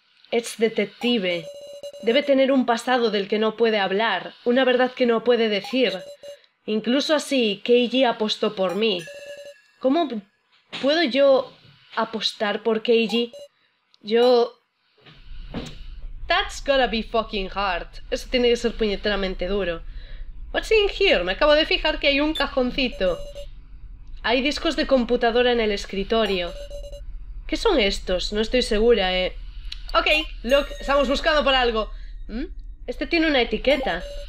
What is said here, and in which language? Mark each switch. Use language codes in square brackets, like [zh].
[es] Es detective. Debe tener un pasado del que no puede hablar, una verdad que no puede decir. Incluso así, Keiji apostó por mí. ¿Cómo puedo yo apostar por Keiji? Yo... [en] That's gotta be fucking hard. [es] Eso tiene que ser puñeteramente duro. [en] What's in here? [es] Me acabo de fijar que hay un cajoncito. Hay discos de computadora en el escritorio. ¿Qué son estos? No estoy segura, [en] Ok, look, [es] estamos buscando por algo. ¿Mm? Este tiene una etiqueta.